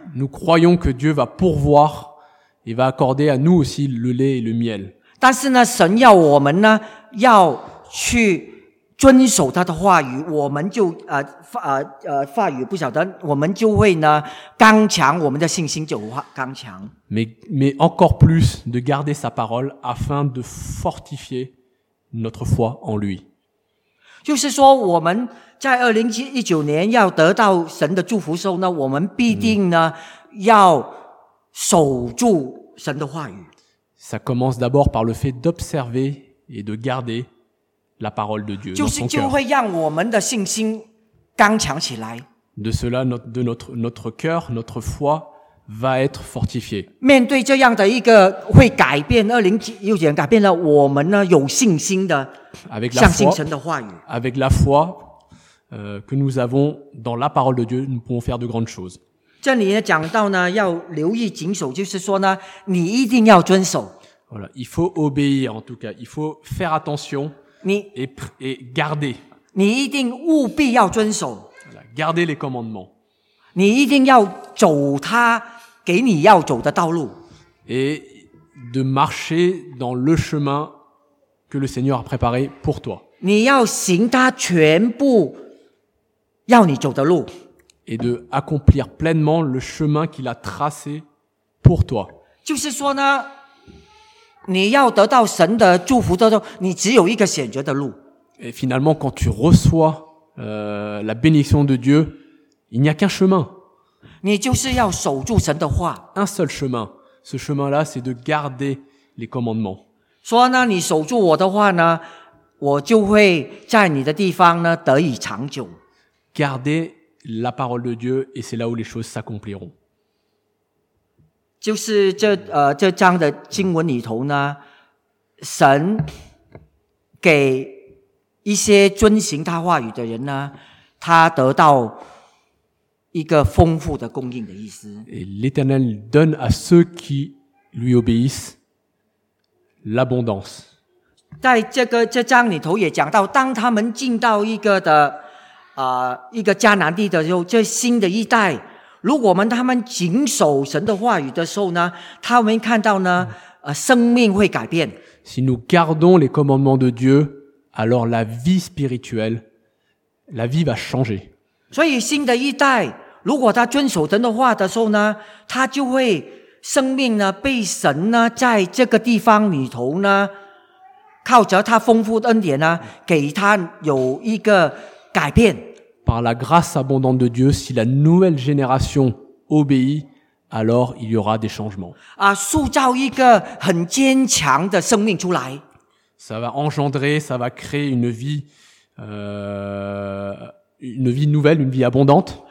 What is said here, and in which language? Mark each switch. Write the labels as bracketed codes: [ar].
[fr] Nous croyons que Dieu va pourvoir et va accorder à nous aussi le lait et le miel. [zh] 但是呢，神要我们呢，要去遵守他的话语，我们就话语不晓得，我们就会呢，刚强我们的信心就刚强。 [fr] Mais encore plus de garder sa parole afin de fortifier notre foi en lui. [zh] 就是说我们在2019年要得到神的祝福的时候呢，我们必定呢要守住神的话语。 [fr] Ça commence d'abord par le fait d'observer et de garder la parole de Dieu dans son cœur. [zh] 就会让我们的信心刚强起来。 [fr] De cela, notre cœur, notre foi va être fortifié. [zh] 面对这样的一个会改变2019年改变了我们呢，有信心的相信神的话语。 [fr] Avec la foi, que nous avons dans la parole de Dieu, nous pouvons faire de grandes choses. [zh] 这里讲到呢，要留意谨守，就是说呢，你一定要遵守。 [fr] Voilà, il faut obéir, en tout cas, il faut faire attention et garder. [zh] 你一定务必要遵守。 [fr] Voilà, garder les commandements. [zh] 你一定要走他给你要走的道路。 [fr] Et de marcher dans le chemin que le Seigneur a préparé pour toi. [zh] 你要行他全部要你走的路。 [fr] Et de accomplir pleinement le chemin qu'il a tracé pour toi. [zh] 就是说呢，你要得到神的祝福的时候，你只有一个选择的路。 [fr] Et finalement, quand tu reçois, la bénédiction de Dieu, il n'y a qu'un chemin. [zh] 你就是要守住神的话。 [fr] Un seul chemin. Ce chemin-là, c'est de garder les commandements. [zh] 说呢，你守住我的话呢，我就会在你的地方呢得以长久。 [fr] Garder la parole de Dieu et c'est là où les choses s'accompliront. [zh] 就是这章的经文里头呢，神给一些遵行他话语的人呢，他得到一个丰富的供应的意思。 [fr] Et l'Éternel donne à ceux qui lui obéissent l'abondance。 [zh] 在这章里头也讲到，当他们进到一个的一个迦南地的时候，这新的一代，如果他们谨守神的话语的时候呢，他们看到呢，生命会改变。 [fr] Si nous gardons les commandements de Dieu, alors la vie spirituelle, la vie va changer. [zh] 所以新的一代，如果他遵守神的话的时候呢，他就会生命呢被神呢在这个地方里头呢，靠着他丰富的恩典呢，给他有一个改变。 [fr] Par la grâce abondante de Dieu, si la nouvelle génération obéit, alors il y aura des changements. [zh] 啊，塑造一个很坚强的生命出来。 [fr] Ça va engendrer, ça va créer une vie nouvelle, une vie abondante.